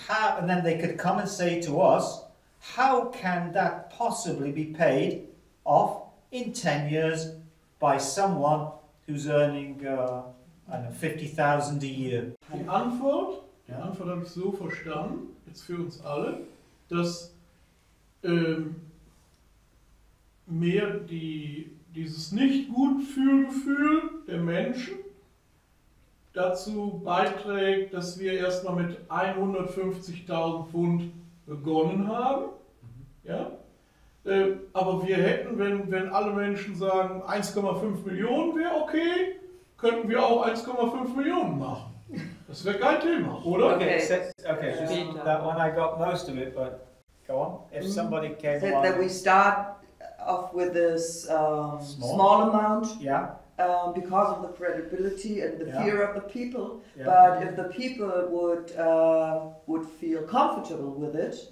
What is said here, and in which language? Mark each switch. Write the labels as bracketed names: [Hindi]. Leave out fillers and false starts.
[English] How, and then they could come and say to us, how can that possibly be paid off in 10 years by someone who's earning, I don't know, 50,000 a year. [German] Die Antwort habe ich so verstanden, jetzt für uns alle, dass mehr dieses Nicht-Gut-Fühl-Gefühl der Menschen dazu beiträgt, dass wir erstmal mit 150.000 Pfund begonnen haben. Mhm. Ja? Aber wir hätten, wenn alle Menschen sagen, 1,5 Millionen wäre okay, könnten wir auch 1,5 Millionen machen. Das wäre kein Thema, oder? [English] Okay, so that one I got most of it, but go on. If somebody came along. That we start off with this small amount, yeah, because of the credibility and the yeah, fear of the people. Yeah. But if the people would feel comfortable with it,